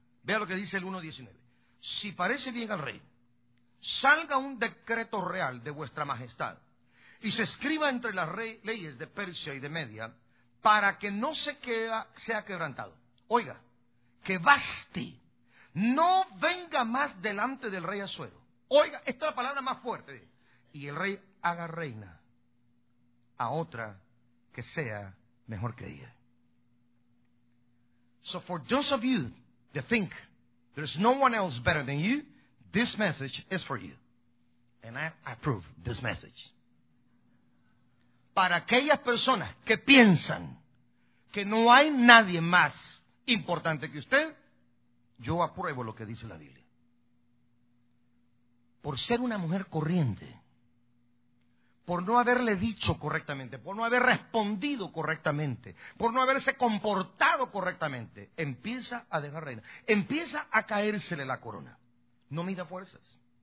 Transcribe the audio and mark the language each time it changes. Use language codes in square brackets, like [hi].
[es] Vea lo que dice el 1:19. Si parece bien al rey, salga un decreto real de vuestra majestad y se escriba entre las leyes de Persia y de Media para que no se sea quebrantado. Oiga, que Vasti no venga más delante del rey Asuero. Oiga, esta es la palabra más fuerte. Y el rey haga reina a otra que sea mejor que ella. [en] So for those of you that think there's no one else better than you, this message is for you. And I approve this message. [es] Para aquellas personas que piensan que no hay nadie más importante que usted, yo apruebo lo que dice la Biblia. Por ser una mujer corriente, por no haberle dicho correctamente, por no haber respondido correctamente, por no haberse comportado correctamente, empieza a dejar reina, empieza a caérsele la corona. No mida fuerzas.